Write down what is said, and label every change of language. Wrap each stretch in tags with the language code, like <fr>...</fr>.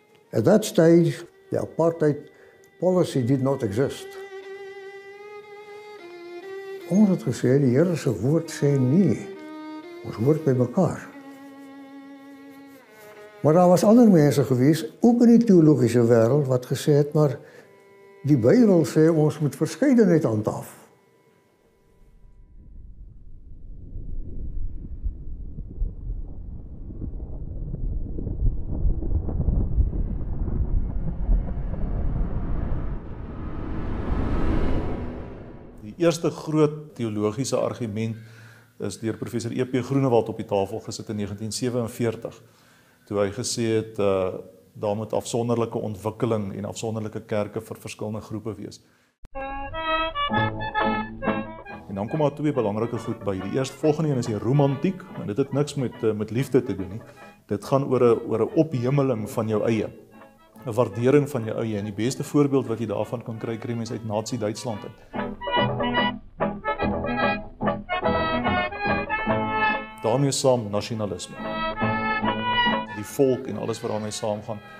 <en>At that stage, the apartheid policy did not exist.</en> <af>Ons het gesê, die Here se woord sê nee. Ons hoort by mekaar. Maar daar was ander mense gewees, ook in die teologiese wêreld, wat gesê het, maar die Bybel sê ons moet verskeidenheid handhaaf. Die eerste groot teologiese argument is deur professor E.P. Groenewald op die tafel gesit in 1947. Toe hy gesê het, daar moet afsonderlike ontwikkeling en afsonderlike kerke vir verskillende groepe wees. En dan kom daar twee belangrike goed by. Die eerste volgende een is die romantiek, en dit het niks met liefde te doen nie. Dit gaan oor 'n ophemeling van jou eie, 'n waardering van jou eie. En die beste voorbeeld wat jy daarvan kan kry, kry mens uit Nazi-Duitsland uit. Daarmee saam nasionalisme. Die volk en alles wat daarmee saamgaan.</af>